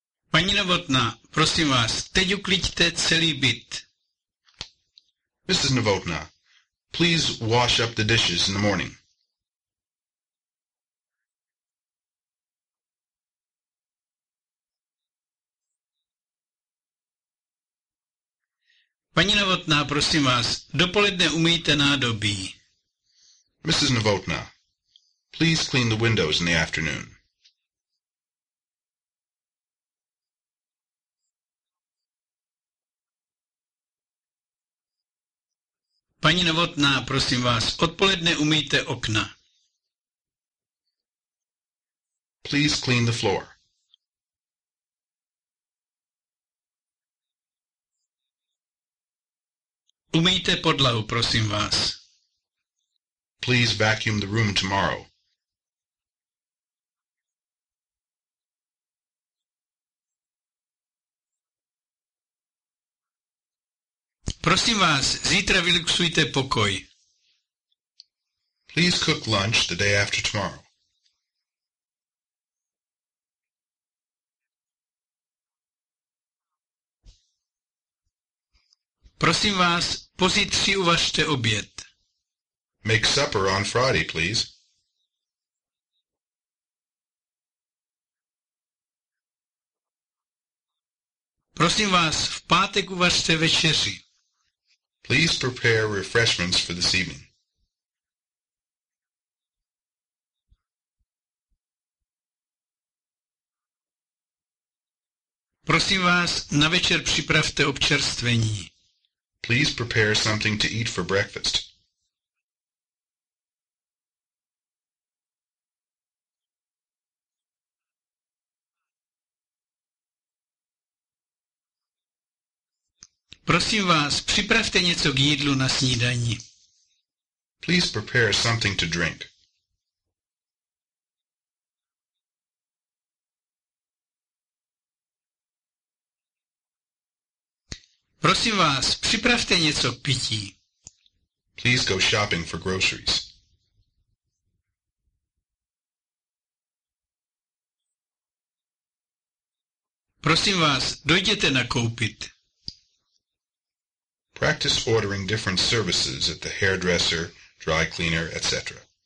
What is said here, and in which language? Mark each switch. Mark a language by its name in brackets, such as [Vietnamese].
[Czech] Paní Novotná, prosím vás, teď uklidíte celý byt. [English] Mrs. Novotna, please wash up the dishes in the morning. [Czech] Paní Novotná, prosím vás, dopoledne umýjte nádobí. [English] Mrs. Novotna, please clean the windows in the afternoon. [Czech] Paní Novotná, prosím vás, odpoledne umýjte okna. [English] Please clean the floor. [Czech] Umýjte podlahu, prosím vás. [English] Please vacuum the room tomorrow. [Czech] Prosím vás, zítra vyluxujte pokoj. [English] Please cook lunch the day after tomorrow. [Czech] Prosím vás, pozítří uvařte oběd. [English] Make supper on Friday, please. [Czech] Prosím vás, v pátek uvařte večeři. [English] Please prepare refreshments for this evening. [Czech] Prosím vás, na večer připravte občerstvení. [English] Please prepare something to eat for breakfast. [Czech] Prosím vás, připravte něco k jídlu na snídani. [English] Please prepare something to drink. [Czech] Prosím vás, připravte něco k pití. [English] Please go shopping for groceries. [Czech] Prosím vás, dojděte nakoupit. [English] Practice ordering different services at the hairdresser, dry cleaner, etc.